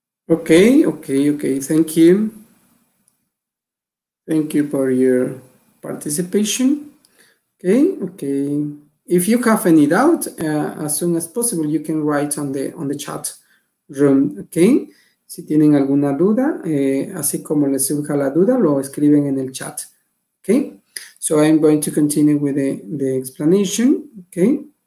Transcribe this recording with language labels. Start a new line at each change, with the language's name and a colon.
English: Okay. Thank you. Thank you for your participation. Okay. If you have any doubt, as soon as possible, you can write on the chat room. Okay.
Spanish: Si tienen alguna duda, así como les surja la duda, lo escriben en el chat.
English: Okay. So I'm going to continue with the explanation, okay?